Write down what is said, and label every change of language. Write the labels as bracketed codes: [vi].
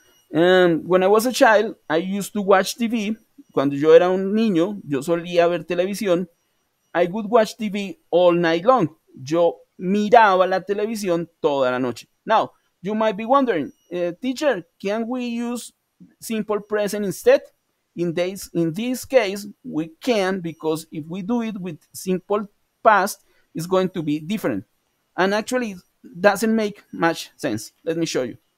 [en] When I was a child, I used to watch TV. [es] Cuando yo era un niño, yo solía ver televisión. [en] I would watch TV all night long. [es] Yo miraba la televisión toda la noche. [en] Now, you might be wondering, teacher, can we use simple present instead? In this case, we can, because if we do it with simple past, it's going to be different. And actually, it doesn't make much sense. Let me show you.